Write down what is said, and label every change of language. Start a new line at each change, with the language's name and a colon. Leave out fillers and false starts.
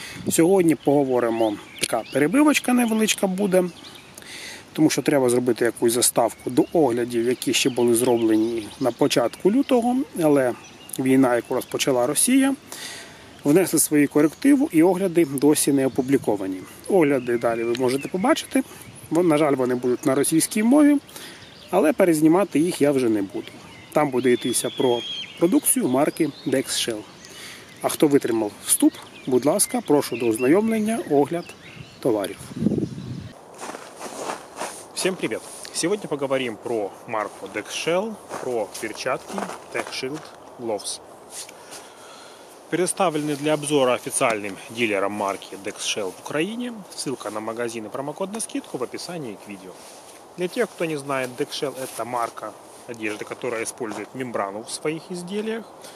Ukrainian: Сьогодні поговоримо, така перебивочка невеличка буде, тому що треба зробити якусь заставку до оглядів, які ще були зроблені на початку лютого, але війна, яку розпочала Росія, внесли свої корективи і огляди досі не опубліковані. Огляди далі ви можете побачити, на жаль, вони будуть на російській мові, але перезнімати їх я вже не буду. Там буде йтися про продукцію марки DexShell. А хто витримав вступ, будь ласка, прошу до ознайомлення, огляд товарів.
Russian: Всем привет! Сегодня поговорим про марку DexShell, про перчатки DexShield Gloves. Предоставлены для обзора официальным дилером марки DexShell в Украине. Ссылка на магазин и промокод на скидку в описании к видео. Для тех, кто не знает, DexShell — это марка одежды, которая использует мембрану в своих изделиях.